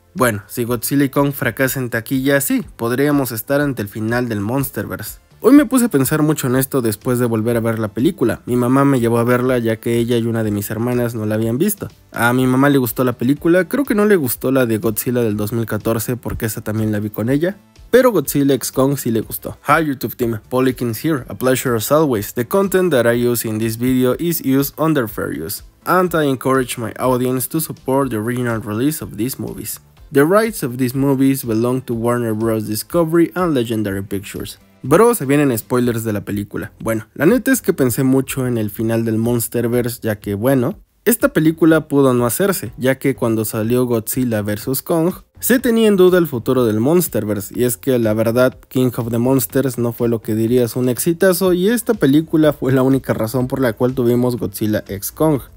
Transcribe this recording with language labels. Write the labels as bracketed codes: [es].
[es] Bueno, si Godzilla y Kong fracasan en taquilla, sí, podríamos estar ante el final del MonsterVerse. Hoy me puse a pensar mucho en esto después de volver a ver la película. Mi mamá me llevó a verla ya que ella y una de mis hermanas no la habían visto. A mi mamá le gustó la película, creo que no le gustó la de Godzilla del 2014 porque esa también la vi con ella. Pero Godzilla X Kong sí le gustó. [en] Hi YouTube team, Polykins here, a pleasure as always. The content that I use in this video is used under fair use. And I encourage my audience to support the original release of these movies. The rights of these movies belong to Warner Bros. Discovery and Legendary Pictures. [es] Bro, se vienen spoilers de la película. Bueno, la neta es que pensé mucho en el final del MonsterVerse, ya que bueno, esta película pudo no hacerse, ya que cuando salió Godzilla vs. Kong, se tenía en duda el futuro del MonsterVerse, y es que la verdad, King of the Monsters no fue lo que dirías un exitazo, y esta película fue la única razón por la cual tuvimos Godzilla x Kong.